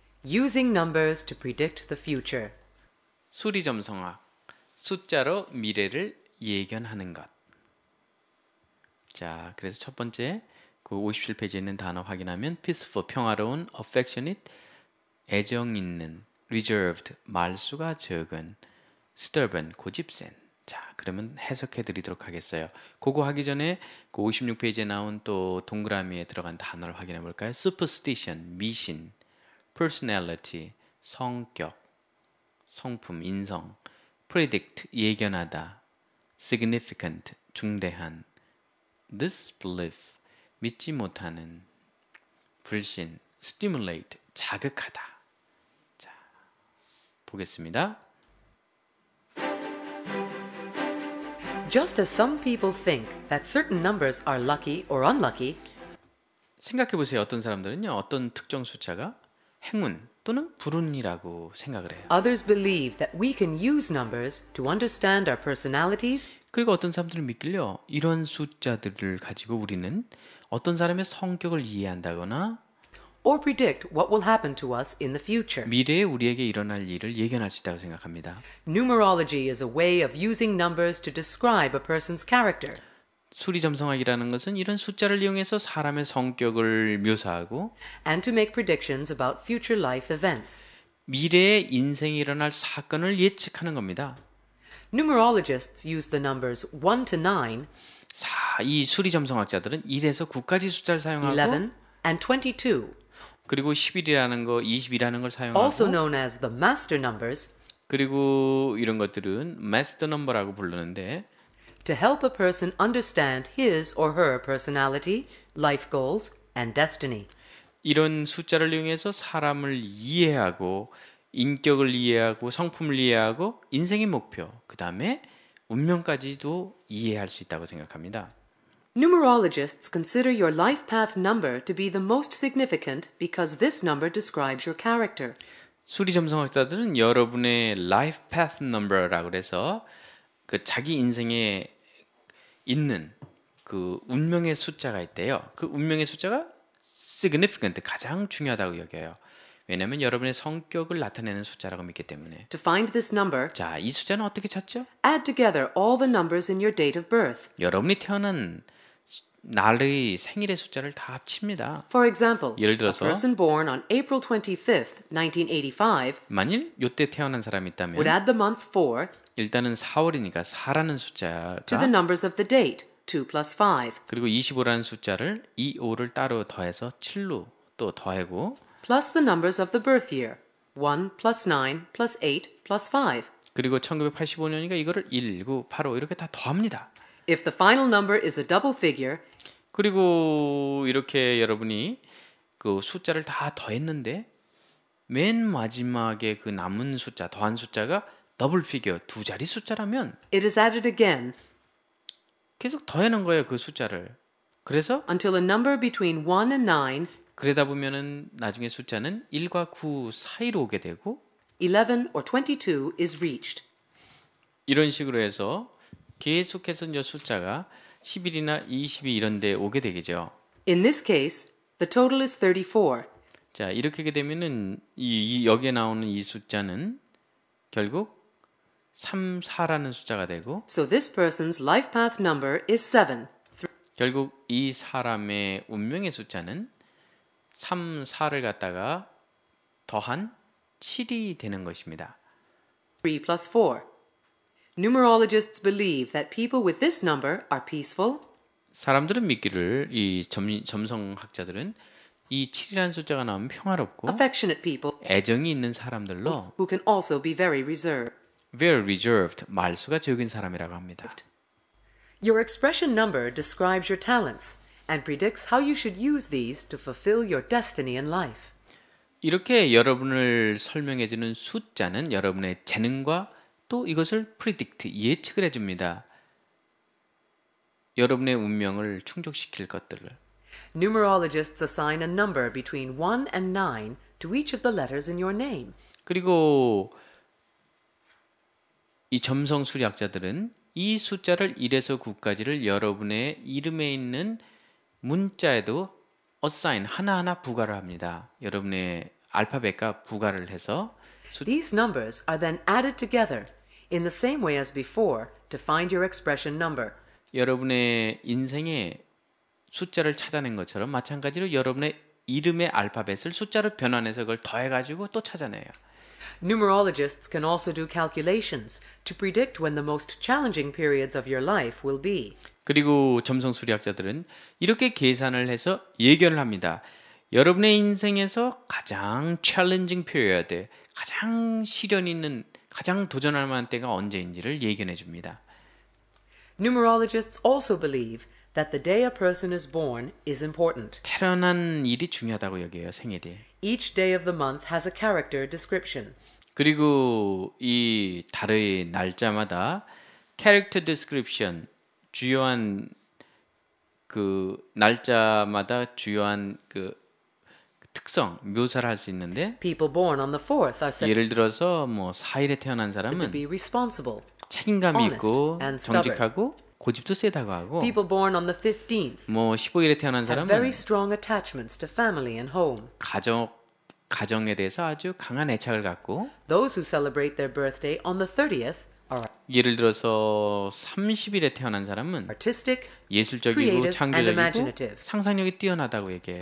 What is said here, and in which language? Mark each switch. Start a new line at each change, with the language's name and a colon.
English: Using numbers to predict the future.
Korean: 수리점성학. 숫자로 미래를 예견하는 것. 자, 그래서 첫 번째 그 57페이지에 있는 단어 확인하면 peaceful, 평화로운, affectionate, 애정 있는, reserved, 말수가 적은, stubborn, 고집 센. 자, 그러면 해석해 드리도록 하겠어요. 그거 하기 전에 그 56페이지에 나온 또 동그라미에 들어간 단어를 확인해 볼까요? superstition, 미신, personality, 성격, 성품, 인성, predict, 예견하다, significant, 중대한, disbelief, 믿지 못하는, 불신, stimulate, 자극하다. 자, 보겠습니다.
English: Just as some people think that certain numbers are lucky or unlucky.
Korean: 생각해 보세요. 어떤 사람들은요, 어떤 특정 숫자가 행운 또는 불운이라고 생각을 해요.
English: Others believe that we can use numbers to understand our personalities.
Korean: 그리고 어떤 사람들은 믿길래요, 이런 숫자들을 가지고 우리는 어떤 사람의 성격을 이해한다거나
English: or predict what will happen to us in the future.
Korean: 미래에 우리에게 일어날 일을 예견할 수 있다고 생각합니다.
English: Numerology is a way of using numbers to describe a person's character.
Korean: 수리점성학이라는 것은 이런 숫자를 이용해서 사람의 성격을 묘사하고
English: and to make predictions about future life events.
Korean: 미래에 인생에 일어날 사건을 예측하는 겁니다.
English: Numerologists use the numbers 1 to 9.
Korean: 4, 이 수리점성학자들은 1에서 9까지 숫자를 사용하고
English: 11 and 22.
Korean: 그리고 11이라는 거, 20이라는 걸 사용하고
English: also known as the master numbers.
Korean: 그리고 이런 것들은 master number라고 부르는데
English: to help a person understand his or her personality, life goals and destiny.
Korean: 이런 숫자를 이용해서 사람을 이해하고 인격을 이해하고 성품을 이해하고 인생의 목표, 그다음에 운명까지도 이해할 수 있다고 생각합니다.
English: Numerologists consider your life path number to be the most significant because this number describes your character.
Korean: 수리점성학자들은 여러분의 life path number라고 해서 그 자기 인생에 있는 그 운명의 숫자가 있대요. 그 운명의 숫자가 significant, 가장 중요하다고 여겨요. 왜냐면 여러분의 성격을 나타내는 숫자라고 믿기 때문에.
English: To find this number,
Korean: 자, 이 숫자는 어떻게 찾죠?
English: Add together all the numbers in your date of birth.
Korean: 여러분이 태어난 날의 생일의 숫자를 다 합칩니다.
English: For example,
Korean: 예를 들어서
English: a person born on April 25th, 1985
Korean: 만일 이때 태어난 사람이 있다면
English: would add the month 4
Korean: 일단은 4월이니까 4라는 숫자가
English: to the numbers of the date, 2 plus 5
Korean: 그리고 25라는 숫자를 2, 5를 따로 더해서 7로 또 더하고
English: plus the numbers of the birth year, 1 plus 9 plus 8 plus 5
Korean: 그리고 1985년이니까 이거를 1, 9, 8, 5 이렇게 다 더합니다.
English: If the final number is a double figure,
Korean: 그리고 이렇게 여러분이 그 숫자를 다 더했는데 맨 마지막에 그 남은 숫자, 더한 숫자가 double figure, 두 자리 숫자라면
English: it is added again.
Korean: 계속 더해놓은 거예요, 그 숫자를. 그래서
English: until a number between 1 and 9
Korean: 그러다 보면은 나중에 숫자는 1과 9 사이로 오게 되고
English: 11 or 22 is reached.
Korean: 이런 식으로 해서 계속해서 이제 숫자가 11이나 22 이런데 오게 되겠죠.
English: In this case, the total is 34.
Korean: 자, 이렇게 하게 되면은 이 여기에 나오는 이 숫자는 결국 3, 4라는 숫자가 되고
English: So this person's life path number is 7.
Korean: 결국 이 사람의 운명의 숫자는 3, 4를 갖다가 더한 7이 되는 것입니다.
English: 3 plus 4. Numerologists believe that people with this number are peaceful.
Korean: 사람들은 믿기를 이 점성학자들은 이 7이라는 숫자가 나오면 평화롭고
English: affectionate people
Korean: 애정이 있는 사람들로
English: who can also be very reserved. Very reserved
Korean: 말수가 적은 사람이라고 합니다.
English: Your expression number describes your talents and predicts how you should use these to fulfill your destiny in life.
Korean: 이렇게 여러분을 설명해 주는 숫자는 여러분의 재능과 또 이것을 predict, 예측을 해줍니다. 여러분의 운명을 충족시킬 것들을.
English: Numerologists assign a number between 1 and 9 to each of the letters in your name.
Korean: 그리고 이 점성 수리학자들은 이 숫자를 1에서 9까지를 여러분의 이름에 있는 문자에도 어사인 하나하나 부가를 합니다. 여러분의 알파벳과 부가를 해서
English: These numbers are then added together in the same way as before to find your expression number.
Korean: 여러분의 인생의 숫자를 찾아낸 것처럼 마찬가지로 여러분의 이름의 알파벳을 숫자로 변환해서 그걸 더해가지고 또 찾아내요.
English: Numerologists can also do calculations to predict when the most challenging periods of your life will be.
Korean: 그리고 점성 수리학자들은 이렇게 계산을 해서 예견을 합니다. 여러분의 인생에서 가장 challenging period, 가장 시련 있는, 가장 도전할 만한 때가 언제인지를 예견해 줍니다.
English: Numerologists also believe that the day a person is born is important.
Korean: 태어난 일이 중요하다고 여겨요, 생일이.
English: Each day of the month has a character description.
Korean: 그리고 이 달의 날짜마다 character description, 주요한 그 날짜마다 주요한 그 특성 묘사를 할 수 있는데
English: People born on the 4th are said
Korean: 예를 들어서 뭐 4일에 태어난 사람은
English: to be responsible,
Korean: 책임감이 있고 정직하고 고집도 세다고 하고
English: People born on the 15th
Korean: 뭐 15일에 태어난 사람은
English: very strong attachments to family and home
Korean: 가정에 대해서 아주 강한 애착을 갖고
English: Those who celebrate their birthday on the 30th
Korean: 예를 들어서 30일에 태어난 사람은
English: artistic,
Korean: 예술적이고
English: creative,
Korean: 창조적이고 상상력이 뛰어나다고 얘기해요.